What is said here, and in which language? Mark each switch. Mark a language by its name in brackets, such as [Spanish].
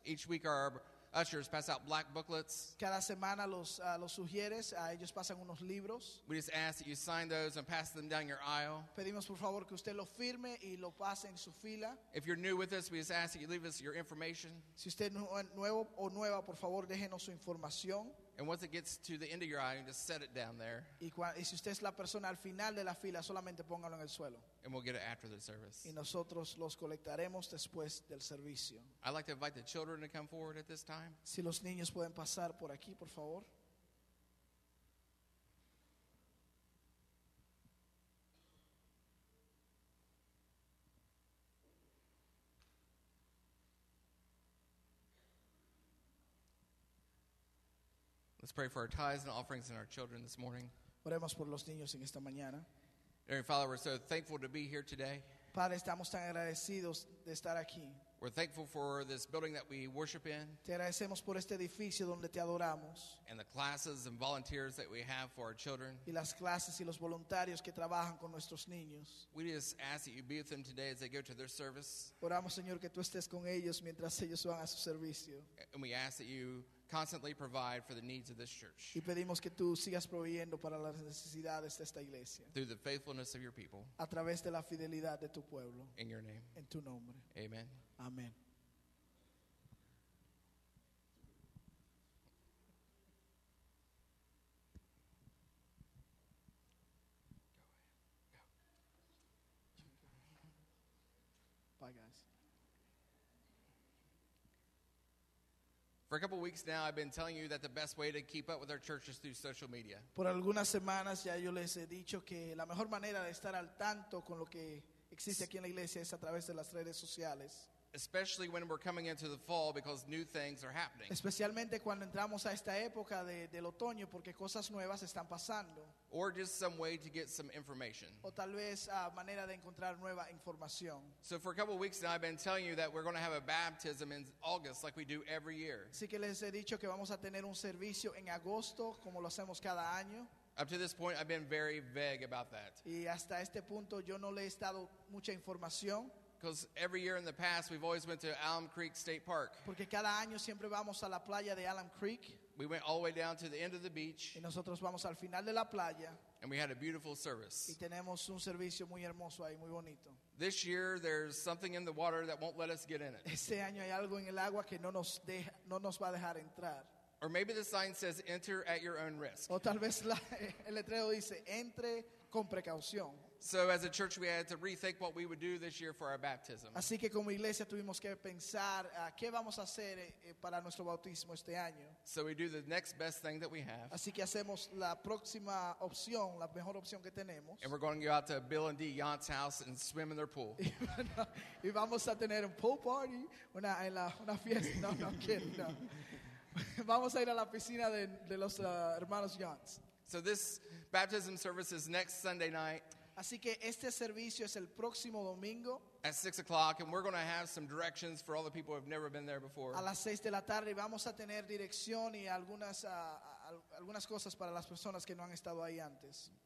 [English] Each week our ushers pass out black booklets. [Spanish] Cada semana los sugieres, ellos pasan unos libros. [English] We just ask that you sign those and pass them down your aisle. [Spanish] Pedimos por favor que usted lo firme y lo pase en su fila. [English] If you're new with us, we just ask that you leave us your information. [Spanish] Si usted es nuevo o nueva, por favor déjenos su información. [English] And once it gets to the end of your aisle, you just set it down there. [Spanish] Y si usted es la persona al final de la fila, solamente póngalo en el suelo. [English] And we'll get it after the service. [Spanish] Y nosotros los colectaremos después del servicio. [English] I'd like to invite the children to come forward at this time. [Spanish] Si los niños pueden pasar por aquí, por favor. [English] Let's pray for our tithes and offerings and our children this morning. [Spanish] Oremos por los niños en esta mañana. [English] Dear Father, we're so thankful to be here today. [Spanish] Padre, estamos tan agradecidos de estar aquí. [English] We're thankful for this building that we worship in. [Spanish] Te agradecemos por este edificio donde te adoramos. [English] And the classes and volunteers that we have for our children. [Spanish] Y las clases y los voluntarios que trabajan con nuestros niños. [English] We just ask that you be with them today as they go to their service. [Spanish] Oramos, Señor, que tú estés con ellos mientras ellos van a su servicio. [English] And we ask that you constantly provide for the needs of this church. [Spanish] Y pedimos que tú sigas proveyendo para las necesidades de esta iglesia. [English] Through the faithfulness of your people. [Spanish] A través de la fidelidad de tu pueblo. [English] In your name. [Spanish] En tu nombre. [English] Amen. [Spanish] Amen. [English] Go ahead. Go. Bye, guys. For a couple of weeks now, I've been telling you that the best way to keep up with our church is through social media. [Spanish] Por algunas semanas ya yo les he dicho que la mejor manera de estar al tanto con lo que existe aquí en la iglesia es a través de las redes sociales. [English] Especially when we're coming into the fall because new things are happening. [Spanish] Especialmente cuando entramos a esta época del otoño porque cosas nuevas están pasando. [English] Or just some way to get some information. [Spanish] O tal vez a manera de encontrar nueva información. [English] So for a couple of weeks now I've been telling you that we're going to have a baptism in August like we do every year. [Spanish] Así que les he dicho que vamos a tener un servicio en agosto como lo hacemos cada año. [English] Up to this point I've been very vague about that. [Spanish] Y hasta este punto yo no le he dado mucha información. [English] Because every year in the past, we've always went to Alum Creek State Park. [Spanish] Porque cada año siempre vamos a la playa de Alum Creek. [English] We went all the way down to the end of the beach. [Spanish] Y nosotros vamos al final de la playa. [English] And we had a beautiful service. [Spanish] Y tenemos un servicio muy hermoso ahí, muy bonito. [English] This year, there's something in the water that won't let us get in it. [Spanish] Este año hay algo en el agua que no nos va a dejar entrar. [English] Or maybe the sign says, "Enter at your own risk." [Spanish] O tal vez el letrero dice, "Entre con precaución." [English] So as a church, we had to rethink what we would do this year for our baptism. [Spanish] Así que como iglesia tuvimos que pensar qué vamos a hacer para nuestro bautismo este año. [English] So we do the next best thing that we have. [Spanish] Así que hacemos la próxima opción, la mejor opción que tenemos. [English] And we're going to go out to Bill and Dee Yant's house and swim in their pool. [Spanish] Y vamos a tener un pool party, una fiesta. [English] No, kidding. [Spanish] No. Vamos a ir a la piscina de los hermanos Yant's. [English] So this baptism service is next Sunday night. [Spanish] Así que este servicio es el próximo domingo. [English] At 6 o'clock, and we're going to have some directions for all the people who have never been there before. [Spanish] A las 6 de la tarde vamos a tener dirección y algunas cosas para las personas que no han estado ahí antes.